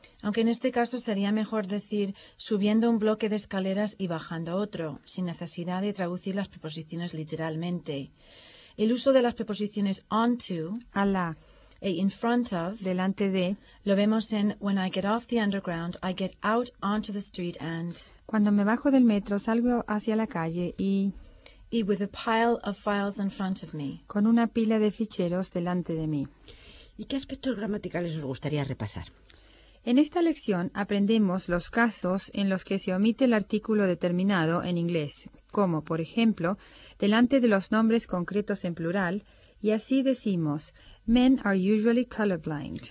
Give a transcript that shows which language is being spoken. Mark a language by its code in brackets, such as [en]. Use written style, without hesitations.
[es] Aunque en este caso sería mejor decir subiendo un bloque de escaleras y bajando otro, sin necesidad de traducir las preposiciones literalmente. El uso de las preposiciones onto, a la, [en] e in front of, [es] delante de, lo vemos en [en] when I get off the underground, I get out onto the street and, [es] cuando me bajo del metro salgo hacia la calle [en] y with a pile of files in front of me, [es] con una pila de ficheros delante de mí. ¿Y qué aspectos gramaticales os gustaría repasar? En esta lección aprendemos los casos en los que se omite el artículo determinado en inglés, como, por ejemplo, delante de los nombres concretos en plural, y así decimos, [en] men are usually colorblind.